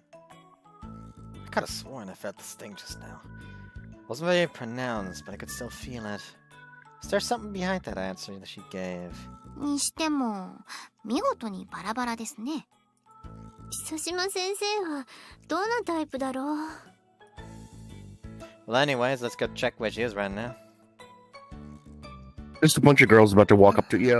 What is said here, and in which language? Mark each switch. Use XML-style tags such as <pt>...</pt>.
<en>I could have sworn I felt this thing just now. Wasn't very pronounced, but I could still feel it. Is there something behind that answer that she gave?</en> <ja>にしても、見事にバラバラですね。久島先生はどのタイプだろう?</ja> <en>Well, anyways, let's go check where she is right now. There's a bunch of girls about to walk up to you.</en>